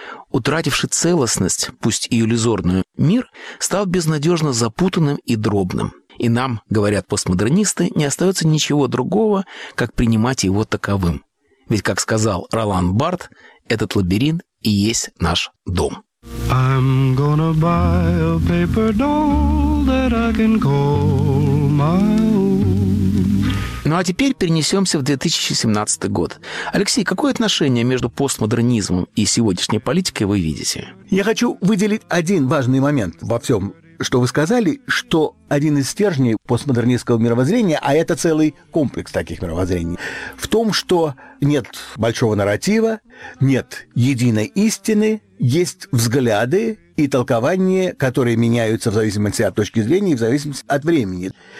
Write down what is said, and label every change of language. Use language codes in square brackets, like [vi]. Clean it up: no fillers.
[ru] Утративший целостность, пусть и иллюзорную, мир стал безнадежно запутанным и дробным. И нам, говорят постмодернисты, не остается ничего другого, как принимать его таковым. Ведь, как сказал Ролан Барт, этот лабиринт и есть наш дом. [en] I'm gonna buy a paper doll that I can call my own. [ru] Ну а теперь перенесемся в 2017 год. Алексей, какое отношение между постмодернизмом и сегодняшней политикой вы видите? Я хочу выделить один важный момент во всем что вы сказали, что один из стержней постмодернистского мировоззрения, а это целый комплекс таких мировоззрений, в том, что нет большого нарратива, нет единой истины, есть взгляды и толкования, которые меняются в зависимости от точки зрения и в зависимости от времени.